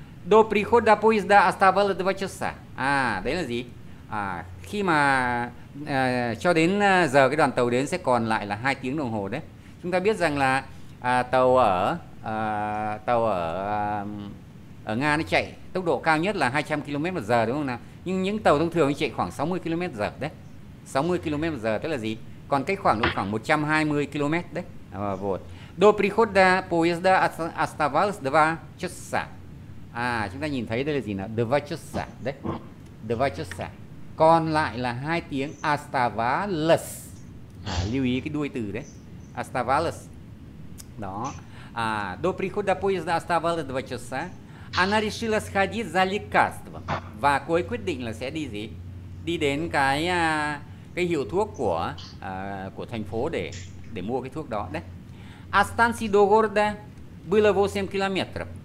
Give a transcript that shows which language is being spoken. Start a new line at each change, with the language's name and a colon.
Russian: До прихода поезда оставалось 2 часа.
Vietnamese: À, đấy là gì? À, khi mà cho đến giờ cái đoàn tàu đến sẽ còn lại là 2 tiếng đồng hồ đấy. Chúng ta biết rằng là tàu ở Nga nó chạy tốc độ cao nhất là 200 km một giờ, đúng không nào? Nhưng những tàu thông thường chạy khoảng 60 km giờ đấy. 60 km một giờ tức là gì? Còn cái khoảng độ khoảng 120 km đấy. À, vột.
Russian: До прихода поезда оставалось 2 часа.
Vietnamese: À, chúng ta nhìn thấy đây là gì nào?
Russian: 2 часа
Vietnamese: đấy. 2 часа. Còn lại là 2 tiếng. Оставалось. À, lưu ý cái đuôi từ đấy. Оставалось. Đó.
Russian: À, до прихода поезда оставалось 2 часа. Она решила сходить за лекарством.
Vietnamese: Và cô ấy quyết định là sẽ đi gì? Đi đến cái hiệu thuốc của thành phố để mua cái thuốc đó đấy.
Russian: Астанси до города было 8 km.